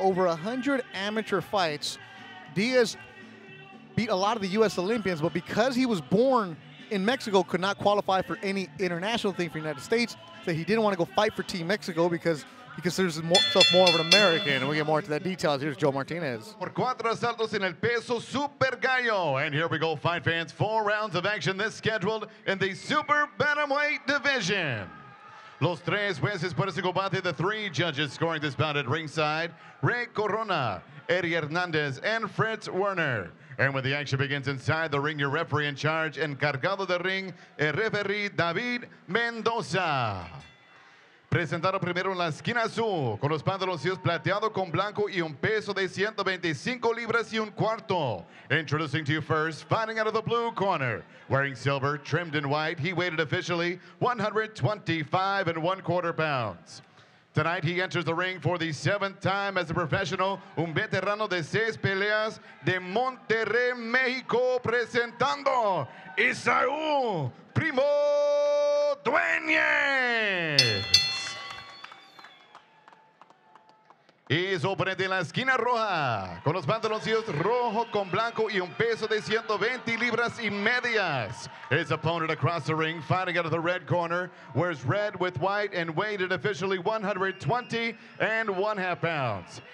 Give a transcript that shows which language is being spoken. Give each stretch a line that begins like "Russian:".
English: Over 100 amateur fights, Diaz beat a lot of the U.S. Olympians, but because he was born in Mexico, could not qualify for any international thing for the United States, so he didn't want to go fight for Team Mexico because he considers himself more of an American. And we'll get more into that details. Here's Joe Martinez.
Spanish: Por cuatro asaltos en el peso super gallo.
English: And here we go, fight fans. Four rounds of action this scheduled in the super bantamweight division.
Spanish: Los tres jueces por ese combate,
English: the three judges scoring this bout at ringside, Rey Corona, Eddie Hernandez, and Fritz Werner. And when the action begins inside the ring, your referee in charge,
Spanish: encargado de ring, el referee
English: David Mendoza.
Spanish: Presentado primero en la esquina azul, con los pantaloncillos plateado con blanco y un peso de 125 libras y un cuarto.
English: Introducing to you first, fighting out of the blue corner. Wearing silver, trimmed in white, he weighed officially 125 and one quarter pounds. Tonight, he enters the ring for the seventh time as a professional,
Spanish: un veterano de seis peleas de Monterrey, Mexico, presentando
English: Isaul Primo Dueñez.
Spanish: Is oponente en la esquina roja, con los pantaloncillos rojo con blanco y un peso de 120 libras y medias.
English: His opponent across the ring, fighting out of the red corner, wears red with white and weighted officially 120 and one half pounds.